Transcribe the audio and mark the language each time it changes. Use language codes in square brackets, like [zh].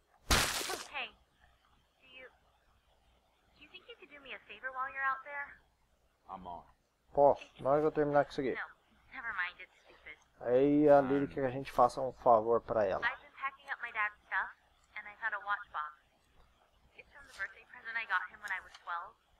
[en] Hey, do you think you could do me a favor while you're out there? I'm on. [pt] Posso, na hora que eu terminar com isso aqui. [en] No, never mind, it's stupid. [pt] Aí a Lily quer que a gente faça um favor pra ela. [en] I've been packing up my dad's stuff and I found a watch box. It's from the birthday present I got him when I was 12.